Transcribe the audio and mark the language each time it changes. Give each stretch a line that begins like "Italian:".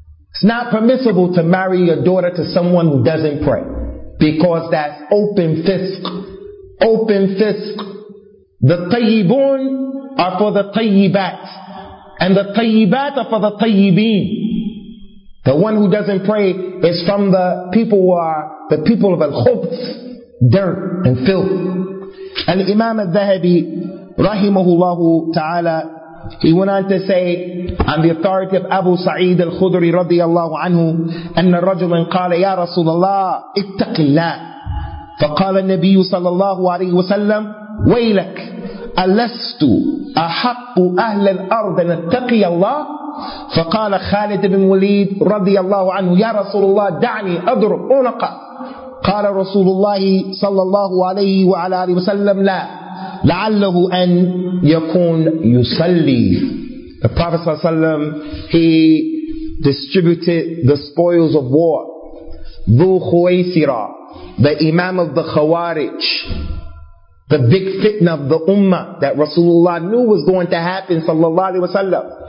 English: It's not permissible to marry your daughter to someone who doesn't pray, because that's open fisq. Open fisq. The tayyibun are for the tayyibat, and the tayyibat are for the tayyibin. The one who doesn't pray is from the people who are the people of al-khubth, dirt and filth. Al-Imam al-Dhahabi, rahimahullahu ta'ala, he went on to say, on the authority of Abu Sa'id al-Khudri radiyallahu anhu,
Arabic: أن الرجل قال يا رسول الله اتق الله فقال النبي صلى الله عليه وسلم ويلك ألست أحق أهل الأرض أن اتقي الله؟ فقال خالد بن وليد رضي الله عنه يا رسول الله دعني أضرب أنقى. قال رسول الله صلى الله عليه وعلى آله وسلم لا لعله أن يكون يصلي.
English: The Prophet ﷺ, he distributed the spoils of war. ذو خويسرة, the Imam of the Khawarij, the big fitna of the Ummah that Rasulullah knew was going to happen sallallahu alaihi wasallam.